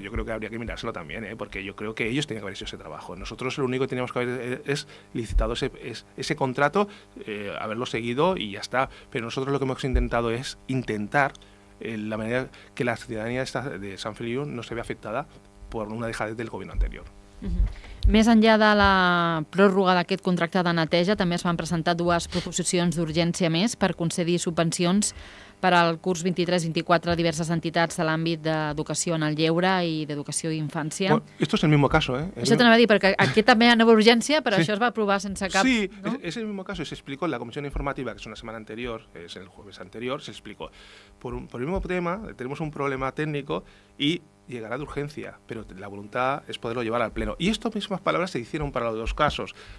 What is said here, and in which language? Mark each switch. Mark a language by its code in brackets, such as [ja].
[es] Pues yo creo que habría que mirárselo también, porque yo creo que ellos tenían que haber hecho ese trabajo. Nosotros lo único que teníamos que haber es licitado ese contrato, haberlo seguido y ya está. Pero nosotros lo que hemos intentado es intentar la manera que la ciudadanía de San Feliu no se ve afectada por una dejadez del gobierno anterior. [ca] Més enllà de la pròrroga d'aquest contracte de neteja, també es van presentar dues proposicions d'urgència més per concedir subvencions per al curs 23-24 a diverses entitats de l'àmbit d'educació en el lleure i d'educació i infància. [es] Bueno, esto es el mismo caso, ¿eh? [ca] Això t'anava a dir, perquè aquí també hi ha nova urgència, però sí. Això es va aprovar sense cap... Sí, no? [es] Es el mismo caso, se explicó en la comisión informativa, que es una semana anterior, es el jueves anterior, se explicó. Por el mismo tema, tenemos un problema técnico y llegará de urgencia, pero la voluntad es poderlo llevar al pleno. Y estas mismas palabras se hicieron para los dos casos.